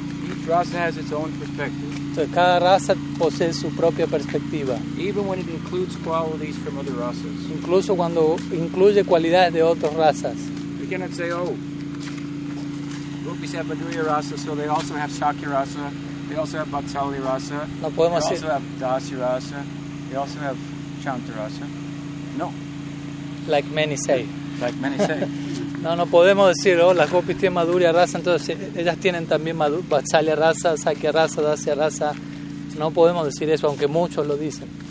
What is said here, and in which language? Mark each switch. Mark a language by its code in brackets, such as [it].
[en] Each rasa has its own perspective. [es] Entonces, cada raza posee su propia perspectiva. [en] Even when it includes qualities from other rasas. [es] Incluso cuando incluye cualidades de otras razas. [en] We cannot say, oh, Gopis have Madhurya rasa, so they also have Shakya rasa, they also have Vatsali rasa, [es] no podemos [en] they also have Dasya rasa, they also have Chanta rasa. No. Like many say. Like many say. [es] No, no podemos decir, oh, las Gopis tienen Madhurya raza, entonces ellas tienen también Vatsalya raza, Sakya raza, Dasya raza. No podemos decir eso, aunque muchos lo dicen.